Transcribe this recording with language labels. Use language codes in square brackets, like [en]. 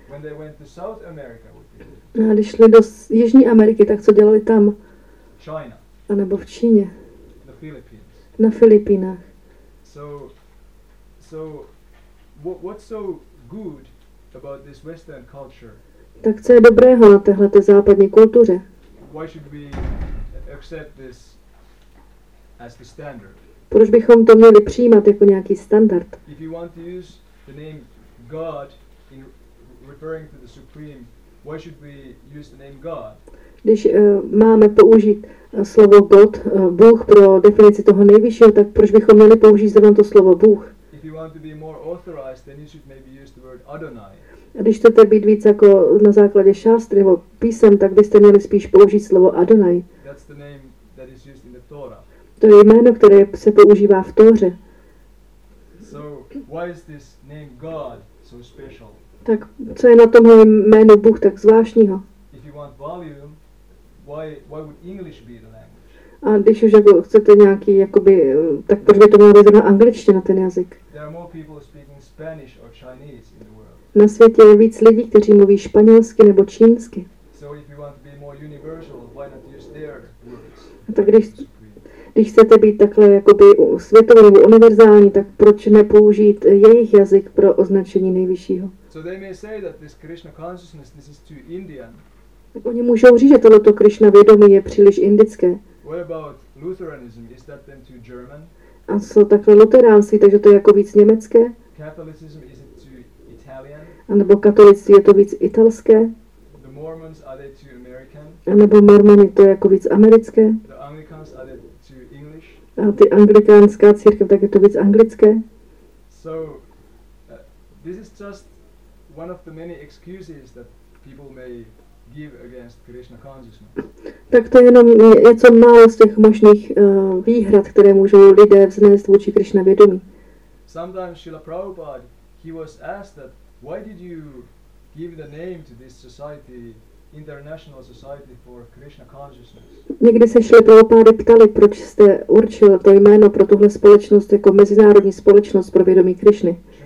[en] When they went to South America, what did they do? [cs] A když šli do Jižní Ameriky, tak co dělali tam? [en] China. [cs] A nebo v Číně. [en] The Philippines. [cs] Na Filipínách. [en] So what's so good about this Western culture? [cs] Tak co je dobrého na téhleté západní kultuře? [en] Why should we accept this as the standard? [cs] Proč bychom to měli přijímat jako nějaký standard? [en] If you want to use the name God in referring to the supreme, why should we use the name God? [cs] Když máme použít slovo God, Bůh pro definici toho nejvyššího, tak proč bychom měli použít zrovna to slovo Bůh? [en] If you want to be more authorized, then you should maybe use the word Adonai. [cs] A když chcete být víc jako na základě šástry nebo písem, tak byste měli spíš použít slovo Adonai. [en] That's the name that is used in the Torah. [cs] To je jméno, které se používá v Tóře. [en] So, why is this name God so special? [cs] Tak co je na tomhle jméno Bůh tak zvláštního? [en] If you want volume, why would English be the language? [cs] A když už jako chcete nějaký, jakoby, tak proč by to mělo být na angličtina ten jazyk? [en] There are more people speaking Spanish or Chinese in the world. [cs] Na světě je víc lidí, kteří mluví španělsky nebo čínsky. [en] So if you want to be more universal, why not use their words? [cs] Tak když chcete být takhle jakoby světový nebo univerzální, tak proč nepoužít jejich jazyk pro označení nejvyššího? [en] So they may say that this Krishna consciousness, this is too Indian. [cs] Tak oni můžou říct, že toto Krishna vědomí je příliš indické. [en] What about Lutheranism? Is that then too German? [cs] A co takhle luteránství, takže to je jako víc německé? [en] Catholicism, is it too Italian? [cs] A nebo katolicství, je to víc italské? [en] The Mormons, are they too American? [cs] A nebo Mormony, to je jako víc americké? [en] The Anglicans, are they too English? [cs] A ty anglikánská církev, tak je to víc anglické? [en] So, this is just one of the many excuses that people may give against Krishna consciousness. [cs] Tak to je jenom něco málo z těch možných výhrad, které můžou lidé vznést vůči Krishna vědomí. [en] Sometimes Srila Prabhupada, he was asked that, why did you give the name to this society, International Society for Krishna Consciousness? [cs] Někdy se Srila Prabhupada ptali, proč jste určil to jméno pro tuhle společnost jako mezinárodní společnost pro vědomí Krishny.